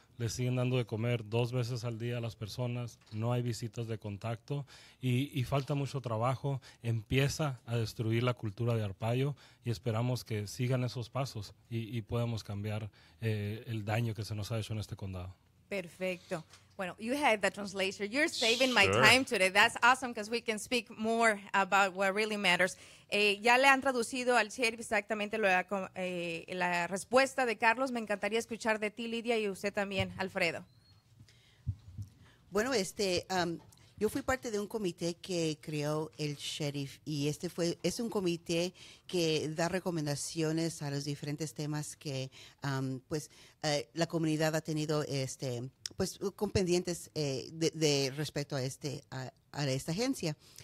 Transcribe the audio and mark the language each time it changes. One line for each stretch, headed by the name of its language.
Spanish: Le siguen dando de comer dos veces al día a las personas, no hay visitas de contacto y falta mucho trabajo. Empieza a destruir la cultura de Arpaio y esperamos que sigan esos pasos y podamos cambiar el daño que se nos ha hecho en este condado. Perfecto. Bueno,
English: you had the translator. You're saving my time today. That's awesome because we can speak more about what really matters.
Spanish: Ya le han traducido al sheriff exactamente la respuesta de Carlos. Me encantaría escuchar de ti, Lidia, y usted también, Alfredo. Bueno, yo fui parte de un comité que creó el sheriff, y es un comité que da recomendaciones a los diferentes temas que la comunidad ha tenido con pendientes de respecto a esta agencia.